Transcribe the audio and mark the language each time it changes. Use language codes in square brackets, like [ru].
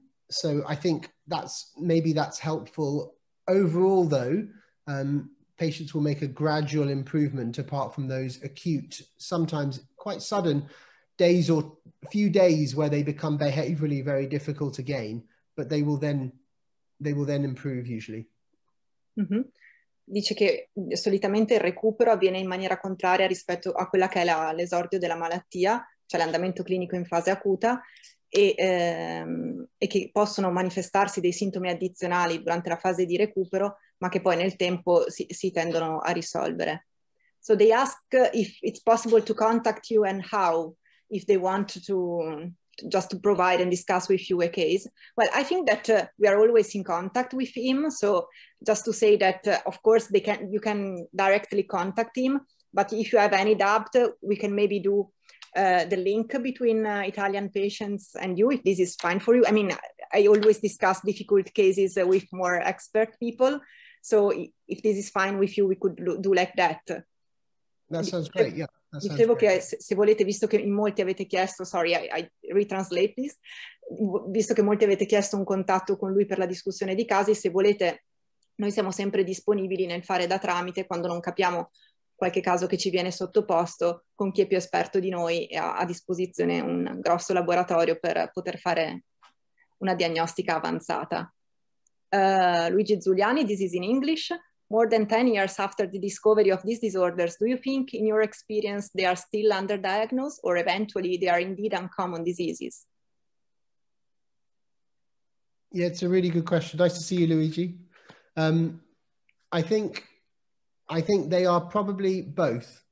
[en] So I think that's helpful. Overall though, patients will make a gradual improvement apart from those acute, sometimes quite sudden days or few days where they become behaviorally very difficult again, but they will then improve usually. Mm-hmm. [it] Dice che solitamente il recupero avviene in maniera contraria rispetto a quella che è l'esordio della malattia, cioè l'andamento clinico in fase acuta, e che possono manifestarsi dei sintomi addizionali durante la fase di recupero, ma che poi nel tempo si tendono a risolvere. [en] So they ask if it's possible to contact you and how, if they want to just to provide and discuss with you a case. Well, I think that we are always in contact with him. So just to say that, of course, you can directly contact him. But if you have any doubt, we can maybe do the link between Italian patients and you, if this is fine for you. I mean, I always discuss difficult cases with more expert people. So if this is fine with you, we could do like that. That sounds great, yeah. [it] Dicevo che se volete, visto che in molti avete chiesto, [en] sorry, I retranslate this, [it] visto che molti avete chiesto un contatto con lui per la discussione di casi, se volete, noi siamo sempre disponibili nel fare da tramite quando non capiamo qualche caso che ci viene sottoposto, con chi è più esperto di noi e ha a disposizione un grosso laboratorio per poter fare una diagnostica avanzata. [en] Luigi Zuliani, this is in English. More than 10 years after the discovery of these disorders, do you think, in your experience, they are still underdiagnosed, or eventually they are indeed uncommon diseases? Yeah, it's a really good question. Nice to see you, Luigi. I think they are probably both.